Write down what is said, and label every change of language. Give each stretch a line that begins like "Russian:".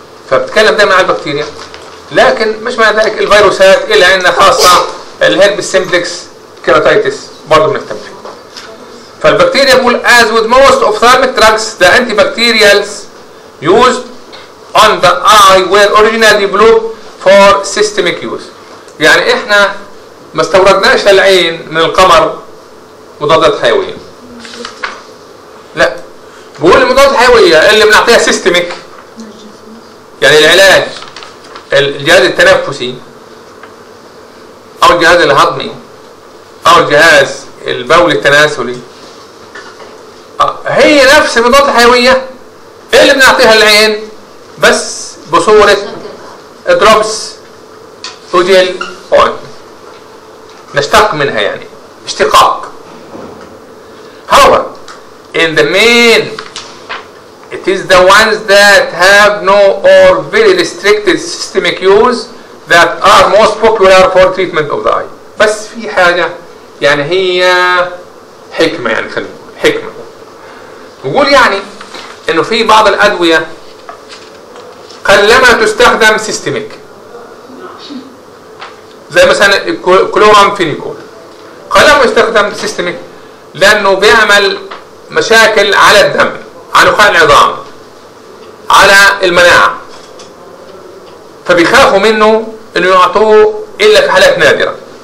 Arabic: فبتكلم دائما على البكتيريا لكن مش مع ذلك الفيروسات الا عندنا خاصه الهربس سيمبلكس كيراتايتس برضه بنهتم فيه.
English: فالبكتيريا بقول as with most ophthalmic drugs the antibacterials used on the eye were originally developed for systemic use.
Arabic: يعني احنا ما استوردناش العين من القمر مضادات حيويه لا بقول المضادات الحيويه اللي بنعطيها سيستميك يعني العلاج الجهاز التنفسي او الجهاز الهضمي او الجهاز البولي التناسلي هي نفس المضادات الحيويه اللي بنعطيها العين بس بصوره دروبس وجل نشتق منها يعني اشتقاق.
English: هو in the main it is the ones that have no or very restricted systemic use that are most popular for treatment of the eye.
Arabic: بس في حاجه يعني هي حكمه يعني خلينا نقول حكمه نقول يعني انه في بعض الادويه قلما تستخدم سيستميك زي مثلا كلورامفينيكول قلما يستخدم سيستميك لانه بيعمل مشاكل على الدم على نخاع العظام على المناعة فبيخافوا منه انه يعطوه الا في حالات نادرة.